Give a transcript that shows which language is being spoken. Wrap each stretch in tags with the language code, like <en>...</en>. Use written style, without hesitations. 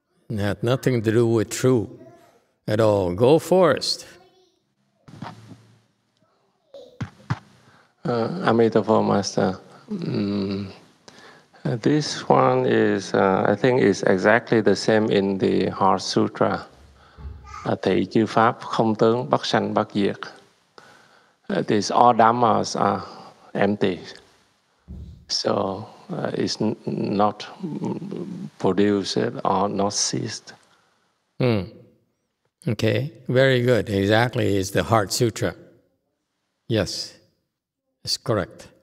<en>It had nothing to do with true at all. Go Forrest. Amitabha Master. This one is, I think, is exactly the same in the Heart Sutra.</en> <vi>Thì chư pháp không tướng bất sanh bất diệt.</vi> <en>These all dharmas are empty, so it's not produced or not ceased. Okay, very good. Exactly, is the Heart Sutra. Yes, it's correct.</en>